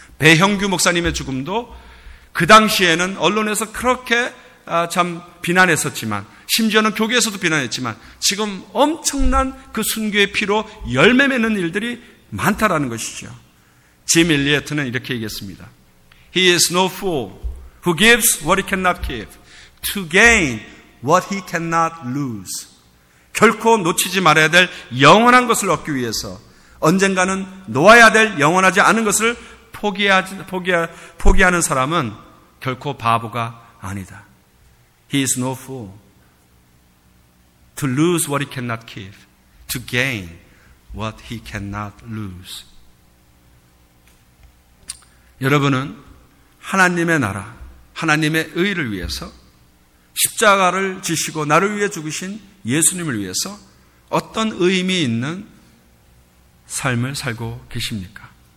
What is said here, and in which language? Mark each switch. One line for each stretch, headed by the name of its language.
Korean: 배형규 목사님의 죽음도 그 당시에는 언론에서 그렇게 참 비난했었지만 심지어는 교계에서도 비난했지만 지금 엄청난 그 순교의 피로 열매 맺는 일들이 많다라는 것이죠. 짐 엘리엇은 이렇게 얘기했습니다.
English: He is no fool who gives what he cannot give to gain what he cannot lose.
Korean: 결코 놓치지 말아야 될 영원한 것을 얻기 위해서 언젠가는 놓아야 될 영원하지 않은 것을 포기하는 사람은 결코 바보가 아니다.
English: He is no fool to lose what he cannot keep, to gain what he cannot lose.
Korean: 여러분은 하나님의 나라, 하나님의 의를 위해서 십자가를 지시고 나를 위해 죽으신 예수님을 위해서 어떤 의미 있는 삶을 살고 계십니까?